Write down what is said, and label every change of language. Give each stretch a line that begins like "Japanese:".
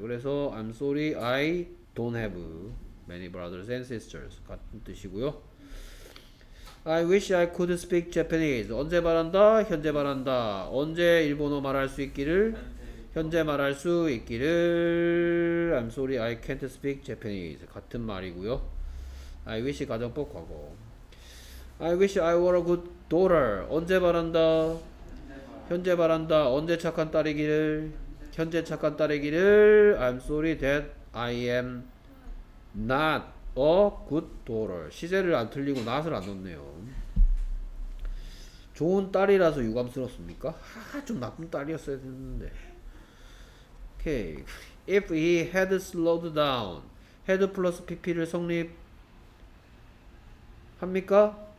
Korean: 그래서
English: I'm sorry I don't have many brothers and sisters
Korean: 같은 뜻이고요.
English: I wish I could speak Japanese.
Korean: 언제 바란다? 현재 바란다. 언제 일본어 말할 수 있기를? 현재 말할 수 있기를.
English: I'm sorry I can't speak Japanese
Korean: 같은 말이고요.
English: I wish
Korean: 가정법 과거.
English: I wish I were a good daughter.
Korean: 언제 바란다? 현재 바란다. 언제 착한 딸이기를? 현재 착한 딸이기를.
English: I'm sorry that I am not a good daughter.
Korean: 시제를 안 틀리고 not을 안 넣네요. 좋은 딸이라서 유감스럽습니까? 아, 좀 나쁜 딸이었어야 했는데.
English: Okay. If he had slowed down, had plus PP를
Korean: 성립합니까?